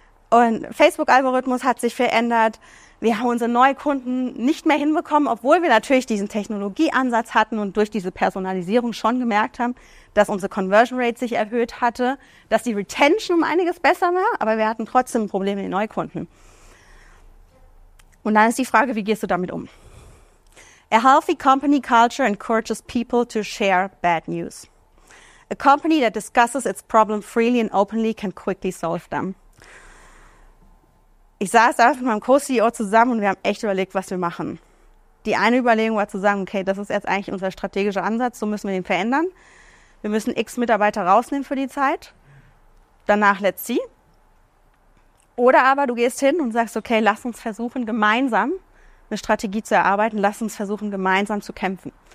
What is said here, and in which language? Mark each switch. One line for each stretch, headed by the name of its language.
German: Und Facebook-Algorithmus hat sich verändert. Wir haben unsere Neukunden nicht mehr hinbekommen, obwohl wir natürlich diesen Technologieansatz hatten und durch diese Personalisierung schon gemerkt haben, dass unsere Conversion Rate sich erhöht hatte, dass die Retention um einiges besser war, aber wir hatten trotzdem Probleme mit den Neukunden. Und dann ist die Frage, wie gehst du damit um?
English: A healthy company culture encourages people to share bad news. A company that discusses its problem freely and openly can quickly solve them.
German: Ich saß da mit meinem Co-CEO zusammen und wir haben echt überlegt, was wir machen. Die eine Überlegung war zu sagen, okay, das ist jetzt eigentlich unser strategischer Ansatz, so müssen wir den verändern. Wir müssen X Mitarbeiter rausnehmen für die Zeit. Danach
English: let's see.
German: Oder aber du gehst hin und sagst, okay, lass uns versuchen, gemeinsam eine Strategie zu erarbeiten, lass uns versuchen, gemeinsam zu kämpfen.